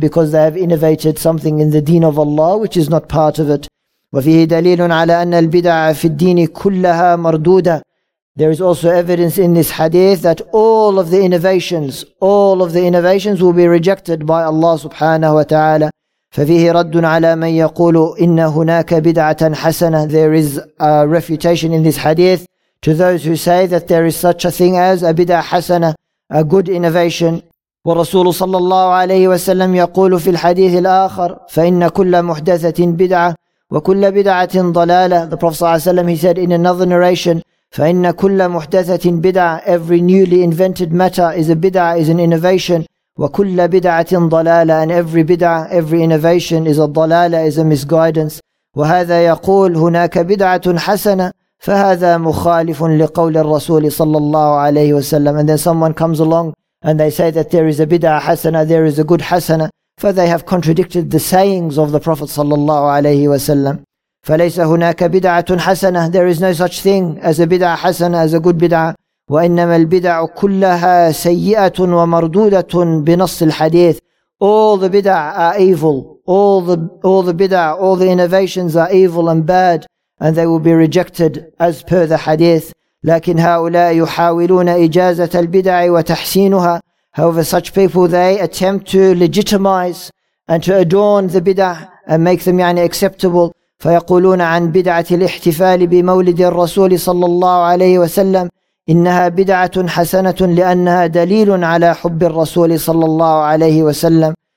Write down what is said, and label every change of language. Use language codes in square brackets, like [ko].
[en] Because they have innovated something in the deen of Allah which is not part of it. [ar] وَفِيهِ دَلِيلٌ عَلَىٰ أَنَّ الْبِدَعَ فِي الدِّينِ كُلَّهَا مَرْدُودَةٌ. [en] There is also evidence in this hadith that all of the innovations will be rejected by Allah subhanahu wa ta'ala. [ar] ففيه رد على من يقول إن هناك بدعة حسنة. [en] There is a refutation in this hadith to those who say that there is such a thing as a [ar] بدعة حسنة, [en] a good innovation. [ar] ورسول صلى الله عليه وسلم يقول في الحديث الآخر فإن كل محدثة بدعة وكل بدعة ضلالة. [en] The Prophet صلى الله عليه وسلم, he said in another narration, [ar] فإن كل محدثة بدعة, [en] every newly invented matter is a بدعة, is an innovation. [ar] وَكُلَّ بِدْعَةٍ ضَلَالَةٍ. [en] And every bid'ah, every innovation is a ضَلَالَةٍ, is a misguidance. [ar] وَهَذَا يَقُولُ هُنَاكَ بِدْعَةٌ حَسَنَةٍ فَهَذَا مُخَالِفٌ لِقَوْلِ الرَّسُولِ صَلَّى اللَّهُ عَلَيْهِ وَسَلَّمَ. [en] And then someone comes along and they say that there is a bid'ah حَسَنَةٍ, there is a good حَسَنَةٍ. For they have contradicted the sayings of the Prophet صلى الله عليه وسلم. [ar] فَلَيْسَ هُنَاكَ بِدْعَةٌ حَسَنَةٍ. [en] There is no such thing as a bid'ah حَسَنَةٍ, as a good bid'ah. [ar] وإنما البدع كلها سيئة ومردودة بنص الحديث. [en] All the bid'ah are evil. All the bid'ah, all the innovations are evil and bad, and they will be rejected as per the hadith. [ar] لكن هؤلاء يحاولون إجازة البدع وتحسينها. [en] However, such people, they attempt to legitimize and to adorn the bid'ah and make them acceptable. [ar] فيقولون عن بدعة الاحتفال بمولد الرسول صلى الله عليه وسلم إنها بدعة حسنة لأنها دليل على حب الرسول صلى الله عليه وسلم.